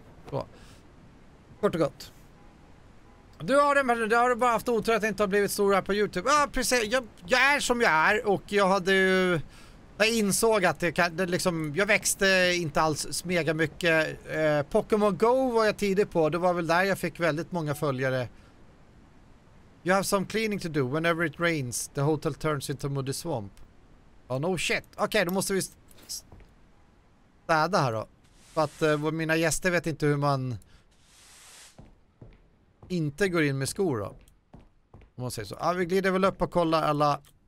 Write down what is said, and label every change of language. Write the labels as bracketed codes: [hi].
[sv] Så. Kort och gott. Du har det, men du har bara haft otur att det inte har blivit stor här på YouTube. Ja, precis. Jag är som jag är, och jag hade ju... Jag insåg att det liksom, jag växte inte alls mega mycket. Pokémon Go var jag tidig på. Det var väl där jag fick väldigt många följare. [en] You have some cleaning to do. Whenever it rains, the hotel turns into a muddy swamp. Oh, no shit. [sv] Okej, okay, då måste vi städa här då. För att mina gäster vet inte hur man... inte går in med skor då. Om man säger så. Ah, vi glider väl upp och kollar alla...